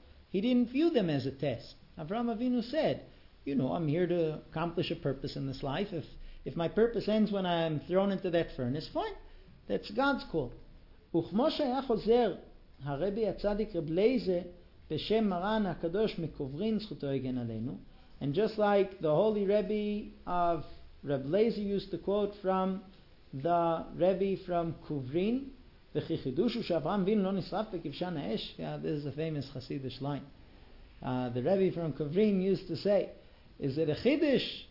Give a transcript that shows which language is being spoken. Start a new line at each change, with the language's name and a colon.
English: He didn't view them as a test. Avraham Avinu said, you know, I'm here to accomplish a purpose in this life. If my purpose ends when I'm thrown into that furnace, fine. That's God's call.
Hebrew: וכמו שהיה חוזר הרבי הצדיק רב לייזה בשם מרן הקדוש מקוברין זכותו הגן עלינו.
English: And just like the holy Rebbe of Reb Lezer used to quote from the Rebbe from Kuvrin,
Hebrew: וכי חידוש הוא שאברהם אבינו לא נשרף בכבשן האש.
English: Yeah, this is a famous Hasidish line. The Rebbe from Kuvrin used to say, is it a chiddush?